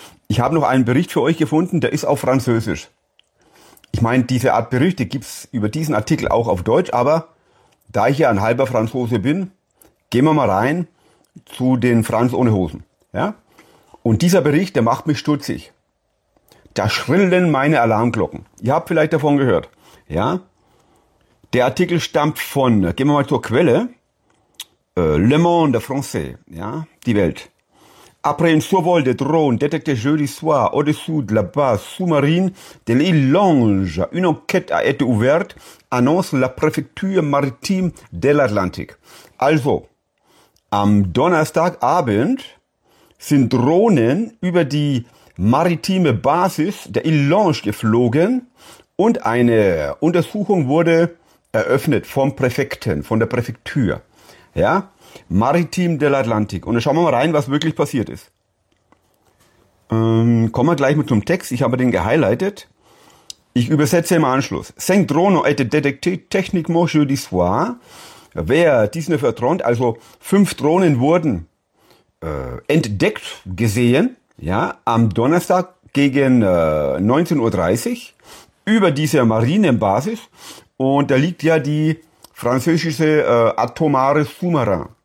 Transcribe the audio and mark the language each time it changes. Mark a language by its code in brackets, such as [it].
[de] Ich habe noch einen Bericht für euch gefunden, der ist auf Französisch. Ich meine, diese Art Berichte gibt es über diesen Artikel auch auf Deutsch, aber da ich ja ein halber Franzose bin, gehen wir mal rein zu den Franz ohne Hosen. Ja? Und dieser Bericht, der macht mich stutzig. Da schrillen meine Alarmglocken. Ihr habt vielleicht davon gehört. Ja? Der Artikel stammt von, gehen wir mal zur Quelle, Le Monde Français, ja? Die Welt. [fr] Après un survol de drone détecté jeudi soir au-dessus de la base sous-marine de l'île Lange, une enquête a été ouverte, annonce la préfecture maritime de l'Atlantique. [de] Also, am Donnerstagabend sind Drohnen über die maritime Basis der Île Lange geflogen und eine Untersuchung wurde eröffnet vom Präfekten, von der Präfektur. Ja? [fr] Maritime de l'Atlantique. [de] Und dann schauen wir mal rein, was wirklich passiert ist. Kommen wir gleich mit zum Text. Ich habe den gehighlightet. Ich übersetze im Anschluss. [fr] Cinq drones ont été détectés techniquement jeudi soir. [de] Wer diesen vertraut, also fünf Drohnen wurden entdeckt, gesehen, ja, am Donnerstag gegen 19.30 Uhr über dieser Marinebasis. Und da liegt ja die französische atomare Sous-Marin.